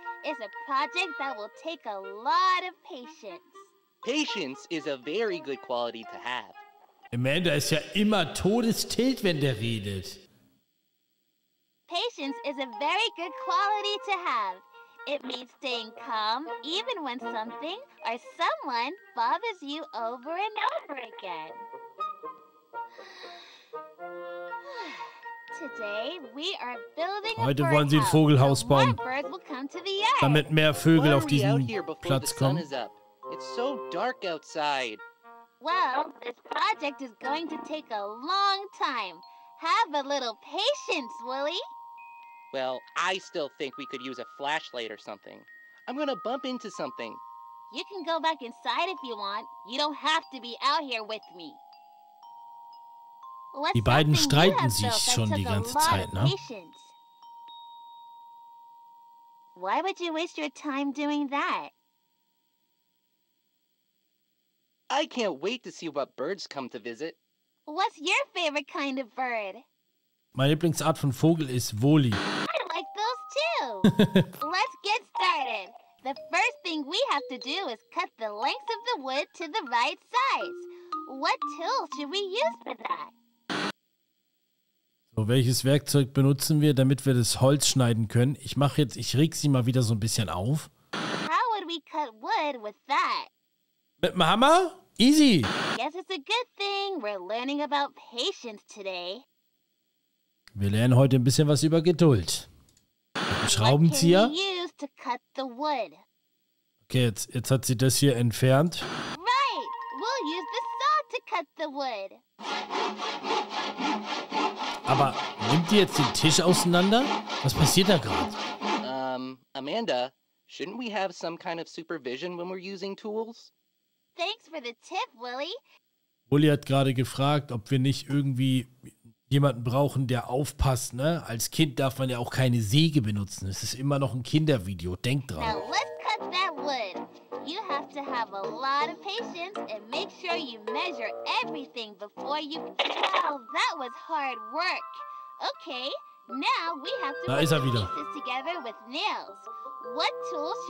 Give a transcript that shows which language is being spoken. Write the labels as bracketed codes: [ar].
[en] It's a project that will take a lot of patience. Patience is a very good quality to have. [de] Amanda ist ja immer todestilt, wenn der redet. [en] Patience is a very good quality to have. It means staying calm, even when something or someone bothers you over and over again. Today we are building [de] Heute [en] a [de] wollen sie ein Vogelhaus bauen, damit mehr Vögel auf diesen Platz kommen. [en] It's so dark outside. Well, this project is going to take a long time. Have a little patience, Willie. Well, I still think we could use a flashlight or something. I'm gonna bump into something. You can go back inside if you want. You don't have to be out here with me. [de] Die beiden streiten sich schon die ganze Zeit, ne? [en] Why would you waste your time doing that? I can't wait to see what birds come to visit. What's your favorite kind of bird? [de] Meine Lieblingsart von Vogel ist Woli. [en] I like those too. Let's get started. The first thing we have to do is cut the length of the wood to the right size. What tool should we use for that? [de] So, welches Werkzeug benutzen wir, damit wir das Holz schneiden können? Ich reg sie mal wieder so ein bisschen auf. [en] How would we cut wood with that? [de] Mit dem Hammer? Easy. [en] Yes, it's a good thing we're learning about patience today. [de] Wir lernen heute ein bisschen was über Geduld. Schraubenzieher. [en] What can we use to cut the wood? [de] Okay, jetzt hat sie das hier entfernt. [en] Right, we'll use the saw to cut the wood. [de] Aber nimmt die jetzt den Tisch auseinander? Was passiert da gerade? [en] Amanda, shouldn't we have some kind of supervision when we're using tools? Thanks for the tip, Willie. [de] Willie hat gerade gefragt, ob wir nicht irgendwie jemanden brauchen, der aufpasst, ne? Als Kind darf man ja auch keine Säge benutzen. Es ist immer noch ein Kindervideo. Denk dran. [en] Now let's cut that wood. You have to have a lot of patience and make sure you measure everything before you... Wow, that was hard work. Okay, now we have to put pieces together with nails. What tools should we use for that?